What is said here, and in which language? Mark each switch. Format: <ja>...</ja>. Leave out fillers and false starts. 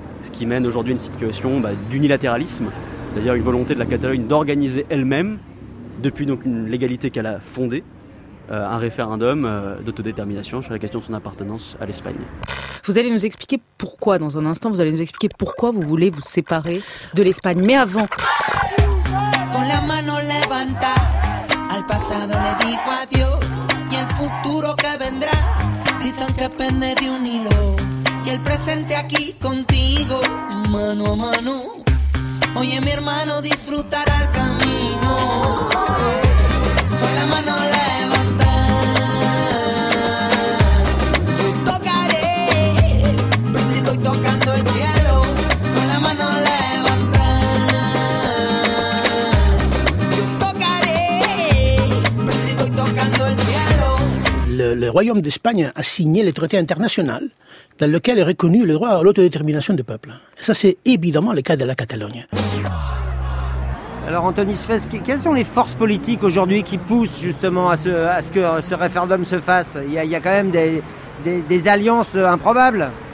<fr>Ce qui mène aujourd'hui à une situation d'unilatéralisme, c'est-à-dire une volonté de la Catalogne d'organiser elle-même, depuis donc une légalité qu'elle a fondée, un référendum d'autodétermination sur la question de son appartenance à l'Espagne. Vous allez nous expliquer pourquoi, dans un instant, vous allez nous expliquer pourquoi vous voulez vous séparer de l'Espagne. Mais avant...</fr> <es>Con la mano levanta, al pasado le digo adiós, y el futuro que vendrá, dicen que pende de un hilo. Y el presente aquí contigo, mano a mano. Oye, mi hermano, disfrutará el camino. Con la mano levanta, tocaré, estoy tocando el cielo. Con la mano levanta, tocaré, estoy tocando el cielo.</es> <fr>Le Royaume d'Espagne a signé le traité international dans lequel est reconnu le droit à l'autodétermination des peuples. Ça, c'est évidemment le cas de la Catalogne. Alors, Anthony Sfès, quelles sont les forces politiques aujourd'hui qui poussent justement à ce que ce référendum se fasse? Il y a quand même des alliances improbables.</fr>